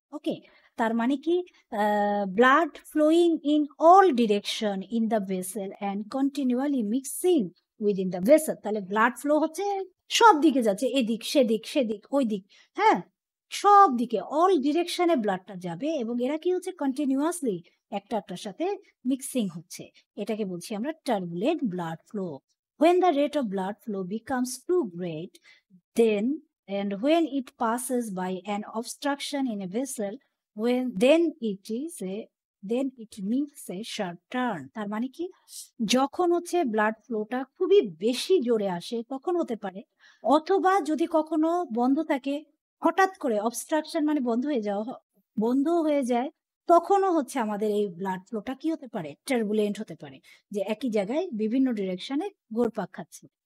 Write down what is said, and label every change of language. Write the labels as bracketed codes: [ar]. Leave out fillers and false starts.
[en] okay, [bn] তার মানে কি, [en] Blood flowing in all direction in the vessel and continually mixing with in the vessel. [bn] তাহলে blood flow হচ্ছে সব দিকে যাচ্ছে, এদিক সেদিক, সেদিক ওই দিক, হ্যাঁ সব দিকে, অল ডিরেকশনে ব্লাডটা যাবে, এবং এরা কি হচ্ছে, কন্টিনিউয়াসলি একটা একটার সাথে মিক্সিং হচ্ছে, এটাকে বলছি আমরা turbulent blood flow. [en] When the rate of blood flow becomes too great, then and when it passes by an obstruction in a vessel, then it makes a sharp turn. [bn] তার মানে কি, যখন হচ্ছে ব্লাড ফ্লোটা খুবই বেশি জোরে আসে তখন হতে পারে, অথবা যদি কখনো বন্ধ থাকে, হঠাৎ করে অবস্ট্রাকশন মানে বন্ধ হয়ে যাওয়া, বন্ধ হয়ে যায়, তখনও হচ্ছে আমাদের এই ব্লাড ফ্লোটা কি হতে পারে, টার্বুলেন্ট হতে পারে, যে একই জায়গায় বিভিন্ন ডিরেকশনে ঘোরপাক খাচ্ছে।